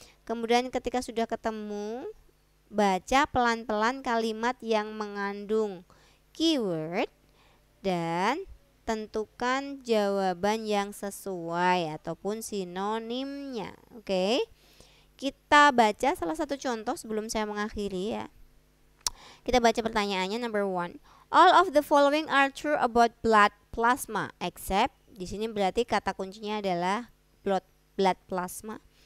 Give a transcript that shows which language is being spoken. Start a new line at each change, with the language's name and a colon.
Indonesian: Kemudian ketika sudah ketemu, baca pelan-pelan kalimat yang mengandung keyword dan tentukan jawaban yang sesuai ataupun sinonimnya. Oke. Kita baca salah satu contoh sebelum saya mengakhiri ya. Kita baca pertanyaannya,
English: number one. All of the following are true about blood plasma except.
Indonesian: Di sini berarti kata kuncinya adalah blood plasma.